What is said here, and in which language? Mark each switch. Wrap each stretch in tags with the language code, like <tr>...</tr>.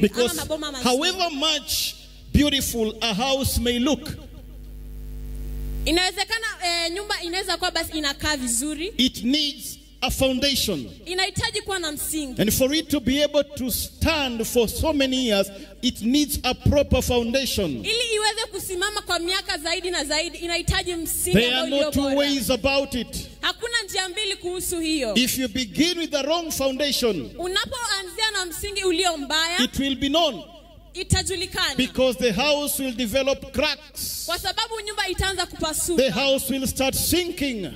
<en>Because however much beautiful a house may look,</en> <sw>inawezekana nyumba inaweza kuwa basi inakaa vizuri,</sw> <en>it needs a foundation.</en> <sw>Inahitaji kuwa na msingi.</sw> <en>And for it to be able to stand for so many years, it needs a proper foundation.</en> <sw>Ili iweze kusimama kwa miaka zaidi na zaidi, inahitaji msingi.</sw> <en>There are no two ways about it.</en> <sw>Hakuna njia mbili kuhusu hiyo.</sw> <en>If you begin with the wrong foundation,</en> <sw>unapoanzia na msingi ulio mbaya,</sw> <en>it will be known.</en> <sw>Itajulikana.</sw> <en>Because the house will develop cracks.</en> <sw>Kwa sababu nyumba itaanza kupasuka.</sw> <en>The house will start sinking.</en>